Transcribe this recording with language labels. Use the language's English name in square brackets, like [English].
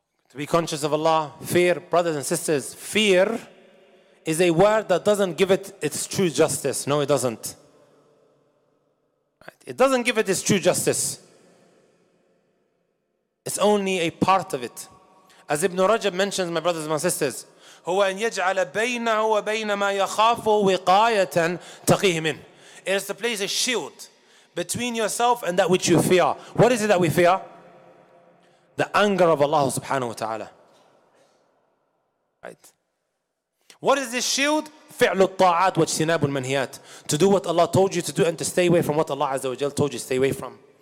[English] To be conscious of Allah, fear, brothers and sisters, fear is a word that doesn't give it its true justice. No, it doesn't. It doesn't give it its true justice. It's only a part of it. As Ibn Rajab mentions, my brothers and my sisters, [Arabic] هُوَ أَنْ يَجْعَلَ بَيْنَهُ وَبَيْنَ مَا يَخَافُ وِقَايَةً تَقِيهِ مِنْ. [English] It is to place a shield between yourself and that which you fear. What is it that we fear? The anger of Allah subhanahu wa ta'ala. Right. What is this shield? [Arabic] فِعْلُ الطَّاعَاتِ وَاجْتِنَابُ الْمَنْهِيَاتِ. [English] To do what Allah told you to do and to stay away from what Allah azza wa jal told you to stay away from.